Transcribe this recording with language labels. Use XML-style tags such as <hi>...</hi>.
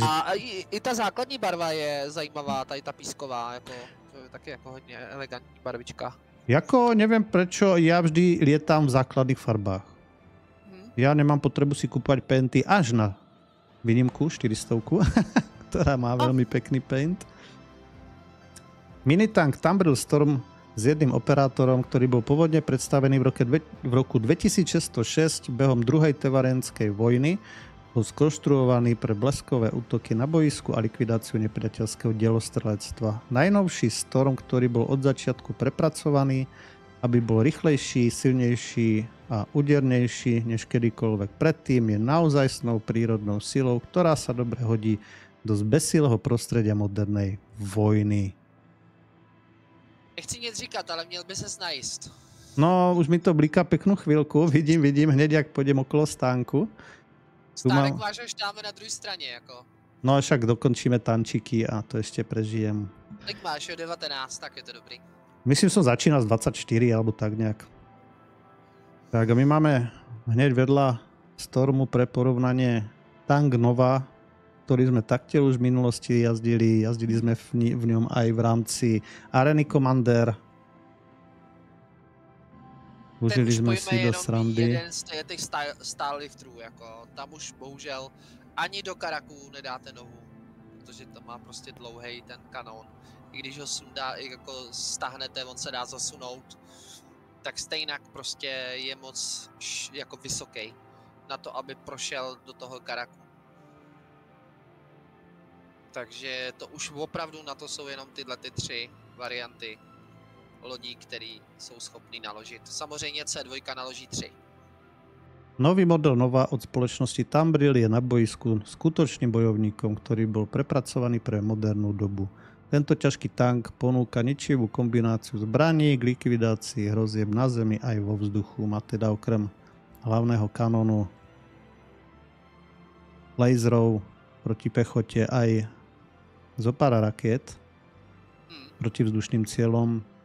<cs>A i ta základní barva je zajímavá, tady ta písková, jako, to je taky jako hodně elegantní barvička.</cs> <sk>Jako, nevím prečo, já vždy lietám v základných farbách.</sk> <cs>Já nemám potřebu si kupovat painty</cs> <sk>až na výnimku 400, která má velmi pekný paint. Minitank Tumbril Storm s jedným operátorom, ktorý bol pôvodne predstavený v roku 2606 behom druhej tevarenskej vojny, bol skonštruovaný pre bleskové útoky na bojisku a likvidáciu nepriateľského delostrelectva. Najnovší Storm, ktorý bol od začiatku prepracovaný, aby bol rýchlejší, silnejší a údernejší než kedykoľvek predtým, je naozajstnou prírodnou silou, ktorá sa dobre hodí do zbesilého prostredia modernej vojny.</sk> <cs>Nechci nic říkat, ale měl by se najíst. No, už mi to blíká peknou chvilku, vidím, hned jak půjdem okolo stánku. Stánek máš až dáme na druhé straně, jako. No, však dokončíme tančiky a to ještě prežijem. Tak máš, jo, 19, tak je to dobrý. Myslím, že jsem začínal s 24, alebo tak nějak.</cs> <sk>Tak a my máme hned vedla Stormu pre porovnaně Tank Nova, ktorý sme taktiež už v minulosti jazdili. Jazdili sme v ňom aj v rámci Areny Commander. Užili sme si do srandy.</sk> <cs>Ten jeden z těch starliftrů, jako tam už bohužel ani do karaků nedáte nohu, protože to má prostě dlouhej ten kanón. I když ho sundá, jako stáhnete, on se dá zasunout, tak stejnak prostě je moc jako vysoký na to, aby prošel do toho karaku. Takže to už opravdu na to jsou jenom tyhle ty tři varianty lodí, které jsou schopný naložit. Samozřejmě C2 naloží tři. Nový model Nova od společnosti Tumbril je na bojisku skutečným bojovníkem, který byl prepracovaný pro modernou dobu.</cs> <sk>Tento ťažký tank ponúka ničivú kombináciu zbraní k likvidácii hrozieb na zemi aj vo vzduchu. Má teda okrem hlavného kanónu laserov proti pechote aj zo pár raket proti vzdušným cieľom.</sk>